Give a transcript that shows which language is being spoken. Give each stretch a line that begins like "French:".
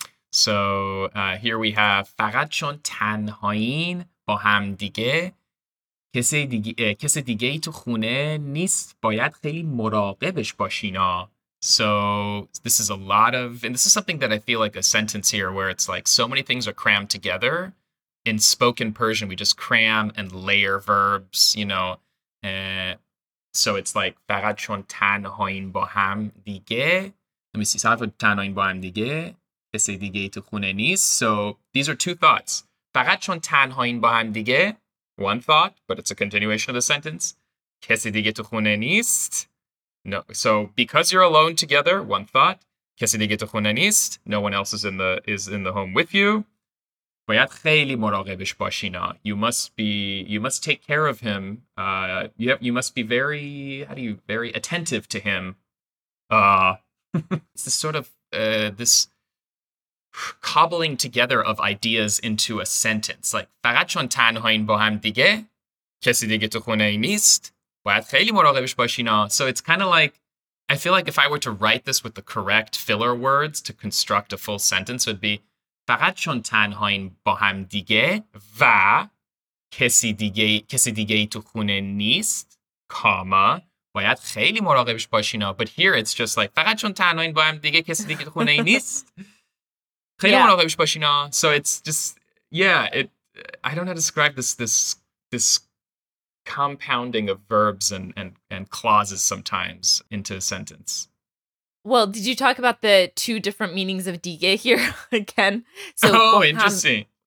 English: So here we have
Persian: فقط چون تنهایین با هم دیگه کسی دیگه تو خونه نیست باید خیلی مراقبش باشینا.
English: So this is a lot of, and this is something that I feel like a sentence here where it's like so many things are crammed together. In spoken Persian, we just cram and layer verbs, you know. So it's like
Persian: فقط چون تنهایین با هم دیگه.
English: Let me see.
Persian: فقط چون تنهایین با هم دیگه کسی دیگه تو خونه نیست.
English: So these are two thoughts.
Persian: فقط چون تنهایین با هم دیگه.
English: One thought, but it's a continuation of the sentence.
Persian: کسی دیگه تو خونه نیست.
English: No. So because you're alone together, one thought.
Persian: کسی دیگه تو خونه نیست.
English: No one else is in the home with you.
Persian: باید خیلی مراقبش باشینا.
English: You must take care of him. You must be very, how do you, very attentive to him. it's this sort of this cobbling together of ideas into a sentence.
Persian: Like فقط چون تنهایین با هم دیگه کسی دیگه تو خونه ای نیست باید خیلی مراقبش باشینا.
English: So it's kind of like, I feel like if I were to write this with the correct filler words to construct a full sentence, it would be
Persian: فقط چون تنهایین با هم دیگه و کسی دیگه تو خونه نیست کاما باید خیلی مراقبش باشینا.
English: But here it's just like
Persian: فقط چون تنهایین با هم دیگه کسی دیگه تو خونه ای نیست خیلی مراقبش باشینا.
English: So it's just, yeah, it, I don't know how to describe this compounding of verbs and clauses sometimes into a sentence. Well, did you talk about the two different meanings of dige here again? So, oh, interesting.